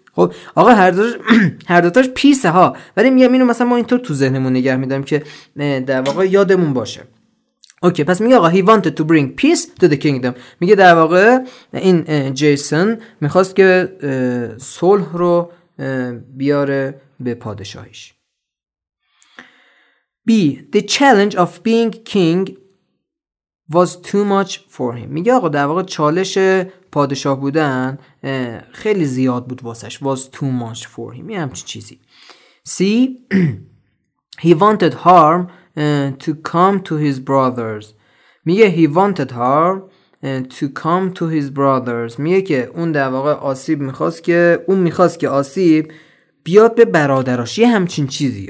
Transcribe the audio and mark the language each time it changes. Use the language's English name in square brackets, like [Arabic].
[Persian] خب آقا هر دوتاش پیسه ها، ولی میگم اینو مثلا ما اینطور تو ذهنمون نگه میدارم که در واقع یادمون باشه. اوکی پس میگه آقا [English] he wanted to bring peace to the kingdom، [Persian] میگه در واقع این جیسون میخواست که صلح رو بیاره به پادشاهیش. [English] B the challenge of being king was too much for him، [Persian] میگه آقا در واقع چالش پادشاه بودن خیلی زیاد بود واسش، [English] was too much for him، یه همچین چیزی. [Persian] C [English] he wanted harm to come to his brothers، [Persian] میگه he wanted harm to come to his brothers، میگه که اون در واقع آسیب میخواست که، اون میخواست که آسیب بیاد به برادراش، یه همچین چیزی.